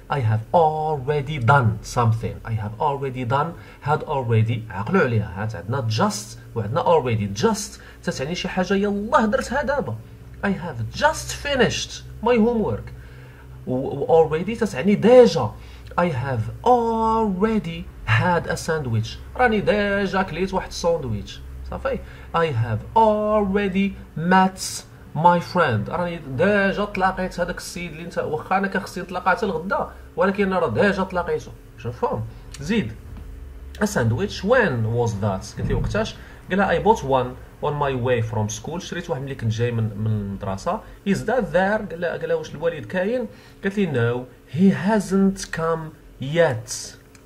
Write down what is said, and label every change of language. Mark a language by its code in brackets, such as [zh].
[en] I have already done something. I have already done had already. [ar] عقلوا عليها، هات عندنا just وعندنا already. just تتعني شي حاجه يلاه درتها دابا. [en] I have just finished my homework. [ar] و already تتعني ديجا. [en] I have already had a sandwich. [ar] راني ديجا كليت واحد الساندويتش صافي. [en] I have already met my friend. [ar] راني ديجا تلاقيت هذاك السيد اللي انت واخا انا كان خصني نتلاقى حتى الغدا ولكن راه ديجا تلاقيته. شوفهم زيد [en] a sandwich when was that؟ [ar] قلت لي وقتاش؟ قال لها [en] I bought one on my way from school. [ar] شريت واحد ملي كنت جاي من المدرسه. [en] Is that there؟ [ar] قال لها قال لها واش الوالد كاين؟ قالت لي [en] no he hasn't come yet.